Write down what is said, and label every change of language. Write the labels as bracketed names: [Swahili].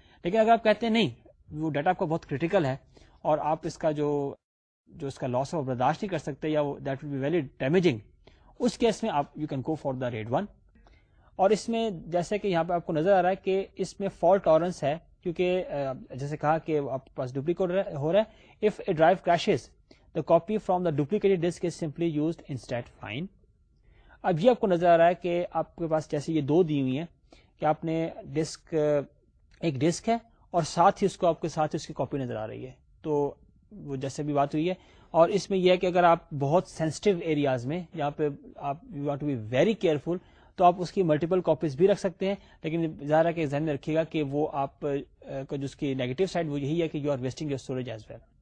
[Urdu] لیکن اگر آپ کہتے ہیں نہیں وہ ڈیٹا آپ کا بہت کریٹیکل ہے اور آپ اس کا جو اس کا لاس آف برداشت نہیں کر سکتے یا وہ [English] that will be very damaging, [Urdu] اس case میں آپ [English] You can go for the RAID one. [Urdu] اور اس میں جیسے کہ یہاں پہ آپ کو نظر آ رہا ہے کہ اس میں فالٹ ٹالرنس ہے, کیونکہ جیسے کہا کہ آپ کے پاس ڈپلیکیٹ ہو رہا ہے. [English] If a drive crashes the copy from the duplicate disk is simply used instead fine. [Urdu] اب یہ آپ کو نظر آ رہا ہے کہ آپ کے پاس جیسے یہ دو دی ہوئی ہیں کہ آپ نے ڈسک ایک ڈسک ہے اور ساتھ ہی اس کو آپ کے ساتھ اس کی کاپی نظر آ رہی ہے, تو وہ جیسے بھی بات ہوئی ہے. اور اس میں یہ ہے کہ اگر آپ بہت سینسٹیو ایریاز میں جہاں پہ آپ [English] you want to be very careful [Urdu] تو آپ اس کی ملٹیپل کاپیز بھی رکھ سکتے ہیں, لیکن ظاہر ہے کہ ذہن میں رکھیے گا کہ وہ آپ کا جو اس کی نیگیٹو سائڈ وہ یہی ہے کہ [English] You are wasting your storage as well.